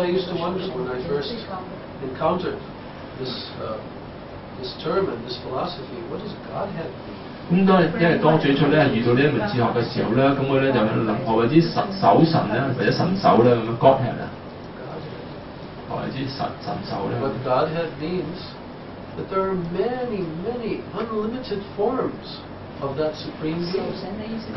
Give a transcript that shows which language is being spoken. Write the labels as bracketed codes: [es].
[en] I used to wonder when I first encountered this this term and this philosophy, what does Godhead mean? [yue] 咁當因為當最初咧遇到呢一門哲學嘅時候咧，咁我咧就諗，或者神首神咧，或者神首咧咁樣 Godhead 啊。 [en] But Godhead means that there are many, many unlimited forms of that supreme being.